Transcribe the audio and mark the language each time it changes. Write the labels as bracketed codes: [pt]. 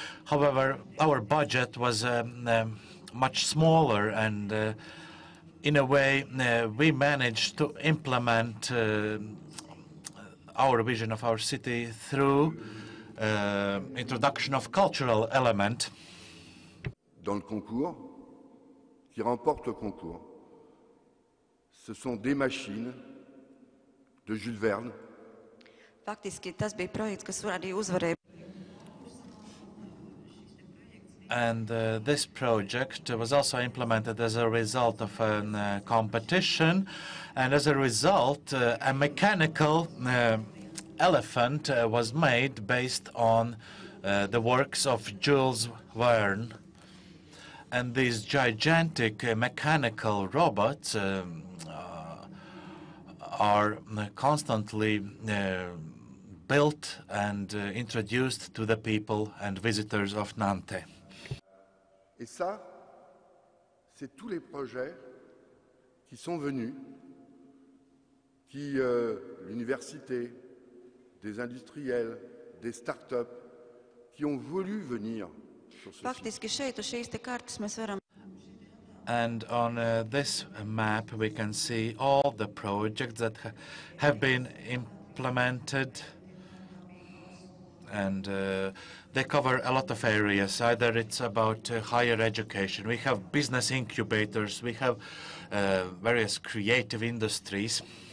[en] However, our budget was much smaller, and in a way, we managed to implement our vision of our city through introduction of cultural element. [fr] Dans le concours, qui remporte le concours, ce sont des machines de Jules Verne. [lv] Faktiski, tas bija projekts, kas arī uzvarēja. [en] And this project was also implemented as a result of a competition, and as a result, a mechanical elephant was made based on the works of Jules Verne. And these gigantic mechanical robots are constantly built and introduced to the people and visitors of Nantes. [fr] Et ça, c'est tous les projets qui sont venus, qui l'université, des industriels, des start-up, qui ont voulu venir sur ce site. [en] And on this map, we can see all the projects that have been implemented. And they cover a lot of areas. Either it's about higher education, we have business incubators, we have various creative industries.